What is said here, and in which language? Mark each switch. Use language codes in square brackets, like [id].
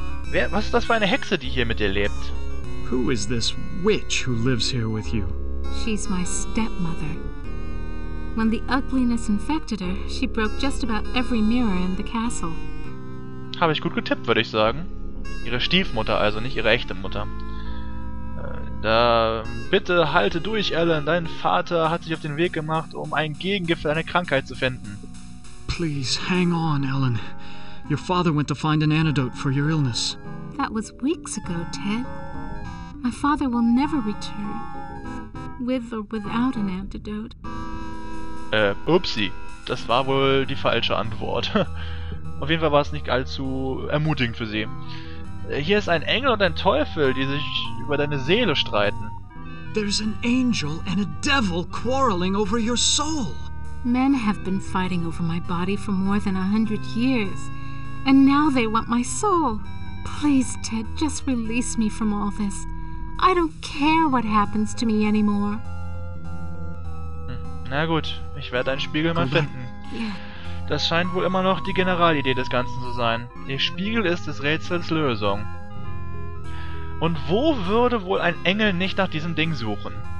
[de] Wer, was ist das für eine Hexe, die hier mit dir lebt? [en] Who is this witch who lives here with you? She's my stepmother. When the ugliness infected her, she broke just about every mirror in the castle. [de] Habe ich gut getippt, würde ich sagen. Ihre Stiefmutter also, nicht ihre echte Mutter. Da, bitte halte durch, Alan. Dein Vater hat sich auf den Weg gemacht, um ein Gegengift für deine Krankheit zu finden. [en] Please hang on, Alan. Your father went to find an antidote for your illness. That was weeks ago, Ted. My father will never return. With or without an antidote. [de] Upsi. Das war wohl die falsche Antwort. Auf jeden Fall war es nicht allzu ermutigend für sie. Hier ist ein Engel und ein Teufel, die sich über deine Seele streiten. [en] There's an angel and a devil quarreling over your soul. Men have been fighting over my body for more than 100 years. And now they want my soul. Please, Ted, just release me from all this. I don't care what happens to me anymore. [de] Na gut, ich werde deinen Spiegel mal finden. Das scheint wohl immer noch die Generalidee des Ganzen zu sein. Der Spiegel ist des Rätsels Lösung. Und wo würde wohl ein Engel nicht nach diesem Ding suchen?